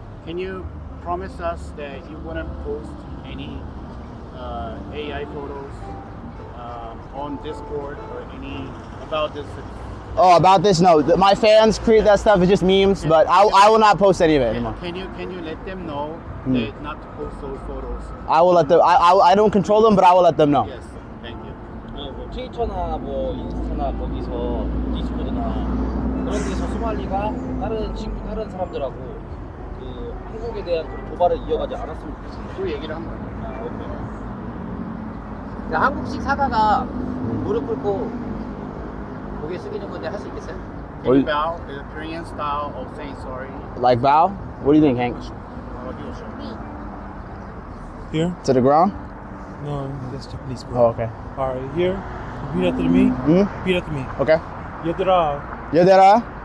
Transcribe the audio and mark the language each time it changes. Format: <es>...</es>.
<en>Can you promise us that you wouldn't post any AI photos on Discord or any about this? Oh, about this? No, my fans create that stuff. It's just memes, but I will not post any of it anymore. Can you let them know that not to post those photos? I will let them. I don't control them, but I will let them know. Yes, thank you.</en> <ko>뭐 트위터나 뭐 인스타나 거기서 디스코드나 그런 데서 소말리가 다른 친구 다른 사람들하고 그 한국에 대한 도발을 이어가지 않았으면 좋겠어요. 그 얘기를 한 거예요. 아, 한국식 사과가 무릎 꿇고 고개 숙이는 건데 할 수 있겠어요?</ko> <en>Can you bow the Korean style of saying sorry? Like bow? What do you think, Hank? Here? To the ground? No, that's Japanese, bro. Oh, okay. All right, here. Repeat after me. Repeat after me. Okay.</en> <ko>얘들아. 얘들아.</ko>